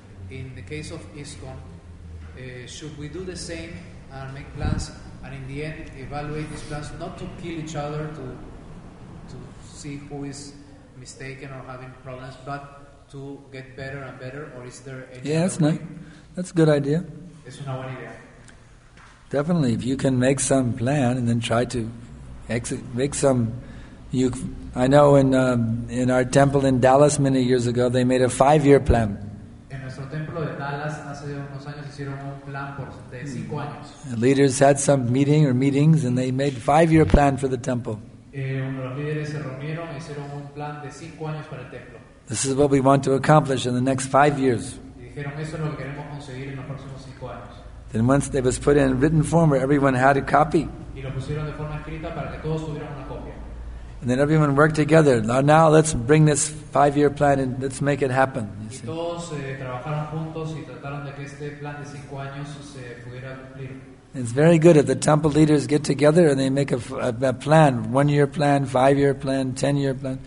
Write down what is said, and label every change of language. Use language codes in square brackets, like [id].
[en] In the case of ISKCON, should we do the same and make plans, and in the end, evaluate these plans not to kill each other, to see who is mistaken or having problems, but to get better and better, or is there any other way? Nice. That's a good idea. [es] Es una buena idea. [en] Definitely, if you can make some plan and then try to make some. I know in our temple in Dallas many years ago, they made a 5-year plan. [es] En nuestro templo de Dallas hace unos años hicieron un plan de 5 años. [en] The leaders had some meeting or meetings and they made 5-year plan for the temple. [es] Los líderes se reunieron y hicieron un plan de 5 años para el templo. [en] This is what we want to accomplish in the next 5 years. [es] Y dijeron, eso es lo que queremos conseguir en los próximos 5 años. [en] Then once they was put in written form where everyone had a copy. [es] Y lo pusieron de forma escrita para que todos tuvieran una copia. [en] And then everyone worked together. Now let's bring this 5-year plan and let's make it happen. [es] Y todos trabajaron juntos y trataron de que este plan de 5 años se pudiera cumplir. [en] It's very good if the temple leaders get together and they make a plan, 1-year plan, 5-year plan, 10-year plan.